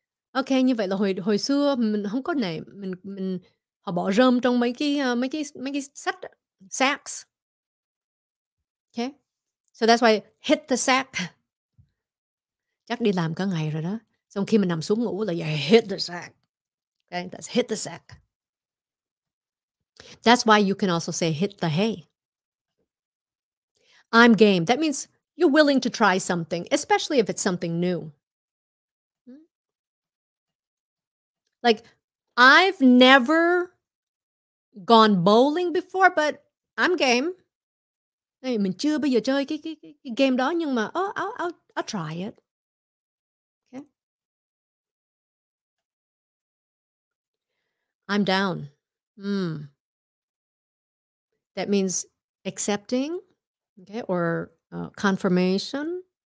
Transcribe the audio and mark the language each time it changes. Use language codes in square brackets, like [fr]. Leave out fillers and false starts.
[vi] Okay, như vậy là hồi xưa mình không có nệm, mình họ bỏ rơm trong mấy cái sách sacks. [en] Okay? So that's why hit the sack. [vi] Chắc đi làm cả ngày rồi đó. Xong khi mình nằm xuống ngủ là [en] yeah, hit the sack. Okay, that's hit the sack. That's why you can also say hit the hay. I'm game. That means you're willing to try something, especially if it's something new. Like, I've never gone bowling before, but I'm game. [vi] Hey, mình chưa bao giờ chơi cái game đó, nhưng mà [en] I'll try it. Okay. I'm down. That means accepting. Okay, or confirmation.